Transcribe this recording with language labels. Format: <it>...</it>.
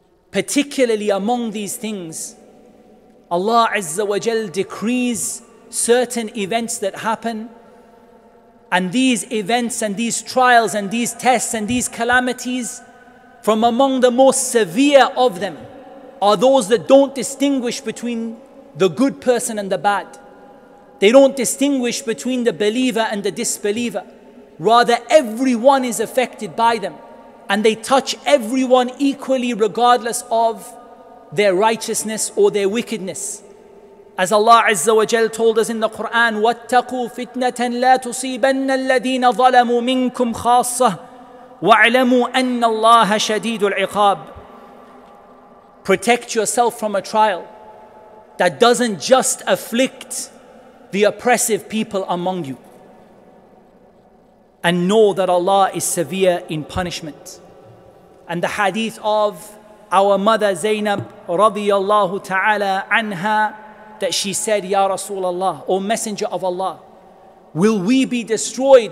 <en>Particularly among these things, Allah Azza wa Jal decrees certain events that happen, and these events and these trials and these tests and these calamities, from among the most severe of them are those that don't distinguish between the good person and the bad. They don't distinguish between the believer and the disbeliever. Rather, everyone is affected by them, and they touch everyone equally regardless of their righteousness or their wickedness. As Allah Azza wa Jal told us in the Quran,</en> <ar>وَاتَّقُوا فِتْنَةً لَا تُصِيبَنَّ الَّذِينَ ظَلَمُوا مِنْكُمْ خَاصَّةً وَعْلَمُوا أَنَّ اللَّهَ شَدِيدُ الْعِقَابِ.</ar> <en>Protect yourself from a trial that doesn't just afflict the oppressive people among you, and know that Allah is severe in punishment. And the hadith of our mother Zainab radiyallahu ta'ala anha, that she said,</en> <ar>Ya Rasulullah,</ar> <en>O Messenger of Allah, will we be destroyed?</en>